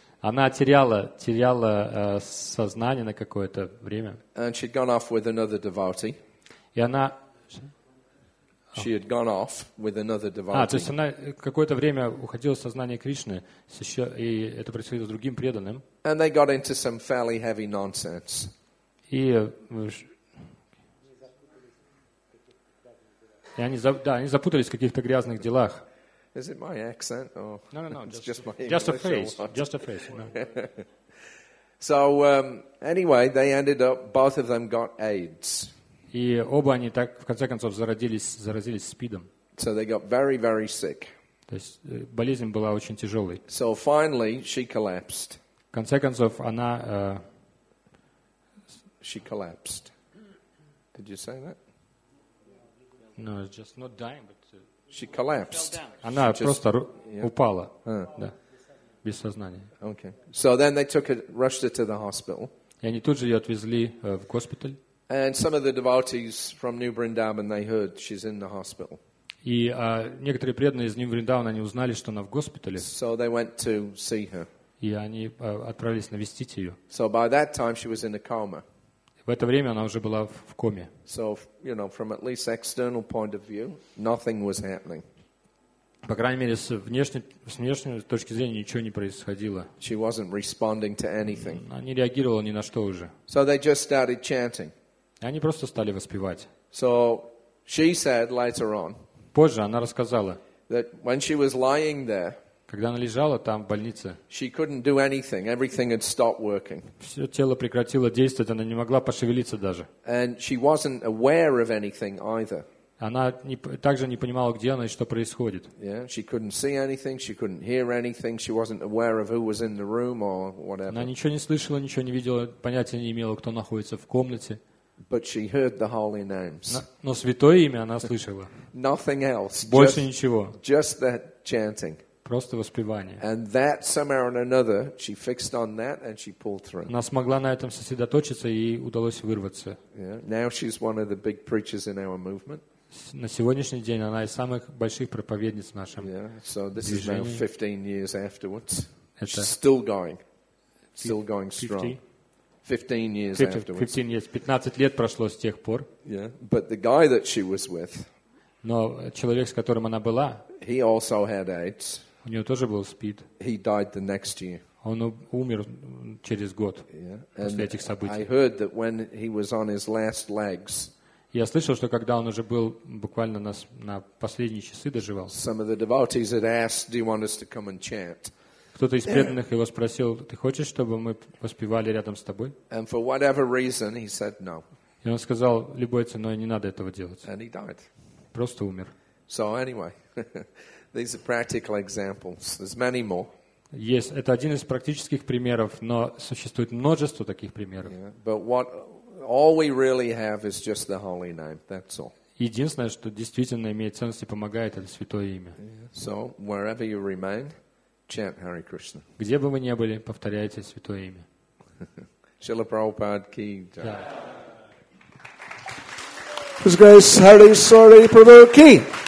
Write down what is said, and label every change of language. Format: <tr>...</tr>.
<ru>Она теряла сознание на какое-то время.</ru> <en>And she'd gone off with another devotee.</en> <ru>И она.</ru> <en>She had gone off with another devotee.</en> <ru>А, то есть она какое-то время уходила в сознание Кришны, и это происходило с другим преданным.</ru> <en>And they got into some fairly heavy nonsense.</en> <ru>И они запутались в каких-то грязных делах.</ru> <en>Is it my accent? Or... No, just a phrase. So, anyway, they ended up, both of them got AIDS.</en> <ru>И оба они так, в конце концов, заразились СПИДом.</ru> <en>So they got very, very sick.</en> <ru>То есть болезнь была очень тяжелой.</ru> <en>So finally she collapsed.</en> <ru>В конце концов, она...</ru> <en>She collapsed. Did you say that? No, it's just not dying, but... She collapsed.</en> <ru>Она</ru> <en>she</en> <ru>просто</ru> <en>just,</en> <ru>упала.</ru> <en>Yeah.</en> <ru>Да. Без сознания.</ru> <en>Okay. So then they took her, rushed her to the hospital.</en> <ru>И они тут же ее отвезли в госпиталь.</ru> <en>And some of the devotees from New Vrindavan, they heard she's in the hospital.</en> <ru>И некоторые преданные из New Vrindavan, они узнали, что она в госпитале.</ru> <en>So they went to see her.</en> <ru>И они отправились навестить ее.</ru> <en>So by that time she was in a coma.</en> <ru>В это время она уже была в коме.</ru> <en>So, you know, from at least external point of view, nothing was happening.</en> <ru>По крайней мере, с внешней точки зрения ничего не происходило.</ru> <en>She wasn't responding to anything.</en> <ru>Она не реагировала ни на что уже.</ru> <en>So they just started chanting.</en> <ru>Они просто стали воспевать.</ru> <en>So she said later on.</en> <ru>Позже она рассказала.</ru> <en>That when she was lying there.</en> <ru>Когда она лежала там в больнице.</ru> <en>She couldn't do anything. Everything had stopped working.</en> <ru>Все тело прекратило действовать, она не могла пошевелиться даже.</ru> <en>And she wasn't aware of anything either.</en> <ru>Она также не понимала, где она и что происходит.</ru> <en>Yeah, she couldn't see anything, she couldn't hear anything, she wasn't aware of who was in the room or whatever.</en> <ru>Она ничего не слышала, ничего не видела, понятия не имела, кто находится в комнате.</ru> <en>But she heard the holy names.</en> <ru>Но святое имя она слышала.</ru> <en>Nothing else.</en> <ru>Больше ничего.</ru> <en>Just that chanting.</en> <ru>Просто воспевание.</ru> <en>And that somehow or another she fixed on that and she pulled through.</en> <ru>Она смогла на этом сосредоточиться и удалось вырваться.</ru> <en>Yeah. Now she's one of the big preachers in our movement.</en> <ru>На сегодняшний день она из самых больших проповедниц в нашем движении.</ru> <en>So this is now 15 years afterwards. She's still going. Still going strong. 15 years.</en> <ru>15 лет прошло с тех пор.</ru> <en>Yeah, but the guy that she was with.</en> <ru>Но человек, с которым она была.</ru> <en>He also had AIDS.</en> <ru>У него тоже был СПИД.</ru> <en>He died the next year.</en> <ru>Он умер через год после этих событий.</ru> <en>I heard that when he was on his last legs.</en> <ru>Я слышал, что когда он уже был буквально на последние часы доживал.</ru> <en>Some of the devotees had asked, "Do you want us to come and chant?"</en> <ru>Кто-то из преданных его спросил, ты хочешь, чтобы мы воспевали рядом с тобой?</ru> <en>And for whatever reason, he said no.</en> <ru>И И он сказал, любой ценой не надо этого делать.</ru> <en>And he died.</en> <ru>Просто умер.</ru> <en>So anyway, these are practical examples. There's many more.</en> <ru>Есть, это один из практических примеров, но существует множество таких примеров.</ru> <en>But what all we really have is just the holy name. That's all.</en> <ru>Единственное, что действительно имеет ценность и помогает, это святое имя.</ru> <en>So wherever you remain, chant Hare Krishna.</en> <ru>Где бы вы ни были, повторяйте святое имя. Шрила Прабхупада ки джай.</ru> <en>His grace Hare Sri Prabhu ki.</en>